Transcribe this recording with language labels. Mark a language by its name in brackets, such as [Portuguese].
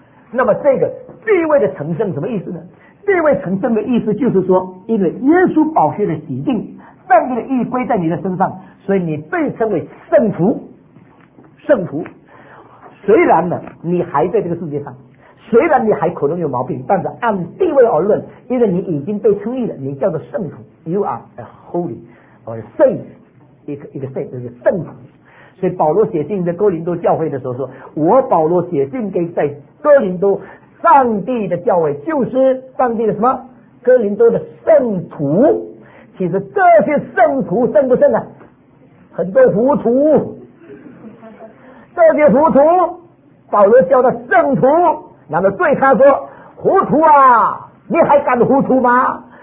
[Chinese] 那么这个地位的成圣什么意思呢？地位成圣的意思就是说，因为耶稣宝血的洗净，上帝的义归在你的身上，所以你被称为圣徒。圣徒虽然呢你还在这个世界上，虽然你还可能有毛病，但是按地位而论，因为你已经被称义了，你叫做圣徒。 [English] You are a holy or a saint, [Chinese] 一个 [English] saint [Chinese] 就是圣徒。所以保罗写信在哥林多教会的时候说，我保罗写信给在哥林多上帝的教会，就是上帝的什么哥林多的圣徒。其实这些圣徒圣不圣啊？很多糊涂，这些糊涂保罗叫他圣徒，然后对他说，糊涂啊，你还敢糊涂吗？